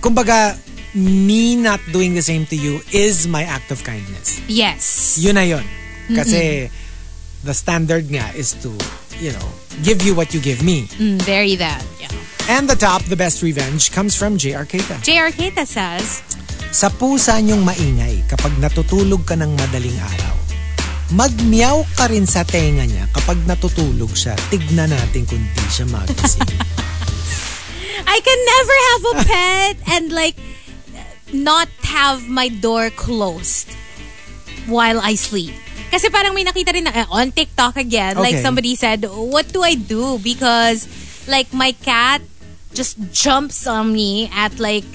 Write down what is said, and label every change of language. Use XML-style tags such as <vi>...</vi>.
<en>Kumbaga, me not doing the same to you is my act of kindness. Yes.</en> <tl>Yun na yun.</tl> <en>Kasi the standard nga is to, you know, give you what you give me. Very that, yeah. And the top, the best revenge, comes from J.R. Keita. J.R. Keita says...</en> <tl>Sa pusa niyong maingay kapag natutulog ka ng madaling araw, magmiyaw ka rin sa tenga niya kapag natutulog siya. Tignan natin kung di siya magising.</tl> <en>I can never have a pet and like not have my door closed while I sleep.</en> <tl>Kasi parang may nakita rin na,</tl> <en>on TikTok again, okay. Like somebody said, what do I do? Because like my cat just jumps on me at like...</en>